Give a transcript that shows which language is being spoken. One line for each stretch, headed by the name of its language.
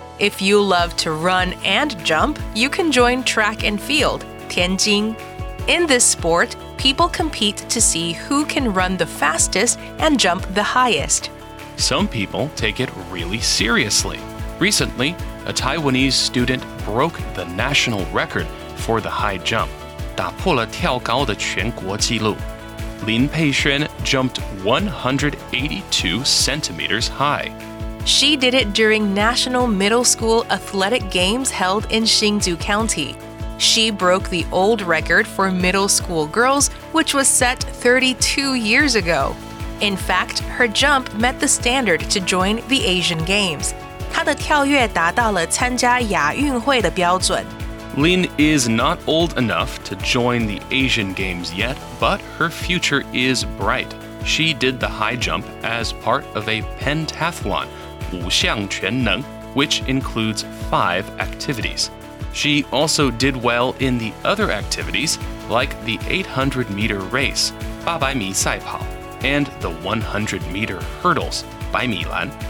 English: If you love to run and jump, you can join track and field, 田径. In this sport, people compete to see who can run the fastest and jump the highest. Some people take it really seriously. Recently, a Taiwanese student broke the national record for the high jump.
Chinese: 打破了跳高的全国纪录。
English: Lin Pei-hsuan jumped 182 centimeters high. She did it during National Middle School Athletic Games held in Hsinchu County. She broke the old record for middle school girls, which was set 32 years ago. In fact, her jump met the standard to join the Asian Games.
Chinese: 她的跳跃达到了参加亚运会的标准。
English: Lin is not old enough to join the Asian Games yet, but her future is bright. She did the high jump as part of a pentathlon, 五項全能, which includes five activities. She also did well in the other activities, like the 800-meter race, 八百米賽跑, and the 100-meter hurdles, 百米欄.